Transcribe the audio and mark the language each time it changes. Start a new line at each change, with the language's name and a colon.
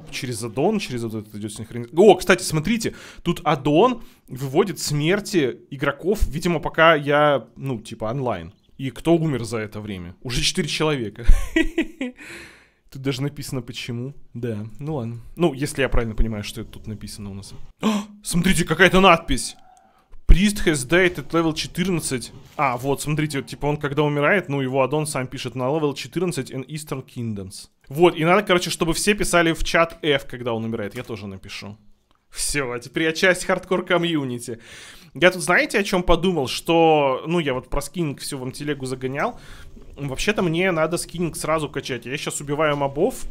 Russian: Через аддон, через вот этот идет синхронизация. О, кстати, смотрите. Тут аддон выводит смерти игроков. Видимо, пока я, ну, типа, онлайн. И кто умер за это время? Уже 4 человека. Тут даже написано, почему. Да, ну ладно. Ну, если я правильно понимаю, что это тут написано у нас. О, смотрите, какая-то надпись.
English: Priest has died at level 14.
Russian: А, вот, смотрите, вот, типа он когда умирает, ну, его аддон сам пишет на
English: level 14 in Eastern Kingdoms.
Russian: Вот, и надо, короче, чтобы все писали в чат F, когда он умирает. Я тоже напишу. Все, а теперь я часть хардкор-комьюнити. Я тут, знаете, о чем подумал? Что, ну, я вот про скининг все вам телегу загонял. Вообще-то мне надо скининг сразу качать. Я сейчас убиваю мобов.